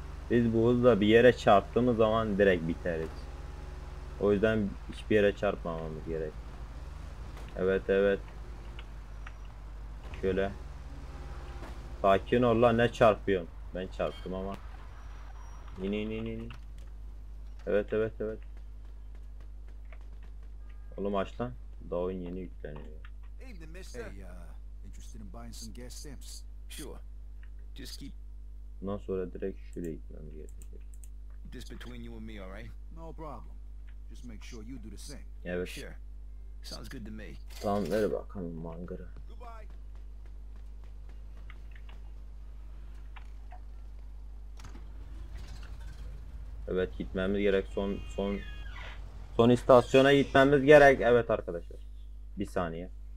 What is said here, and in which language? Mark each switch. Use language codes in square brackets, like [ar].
[tr] Biz bu hızla bir yere çarptığımız zaman direkt biteriz. O yüzden hiçbir yere çarpmamamız gerek. Evet. Şöyle. Sakin ol lan, ne çarpıyorsun? Ben çarptım ama. İn. Evet. Oğlum aç lan. Daha oyun yeni yükleniyor. [en] Evening, mister. Hey, interested in buying some gas stamps? Sure. Just keep. [tr] Bundan sonra direkt şuraya gitmem gerekiyor. [en] This between you and me, all right? No problem. Just make sure you do the same. [tr] Evet. [en] Sure. Sounds good to me. [tr] Tamam, ver bakalım mangırı. Evet, gitmemiz gerek. Son istasyona gitmemiz gerek. Evet arkadaşlar. Bir saniye.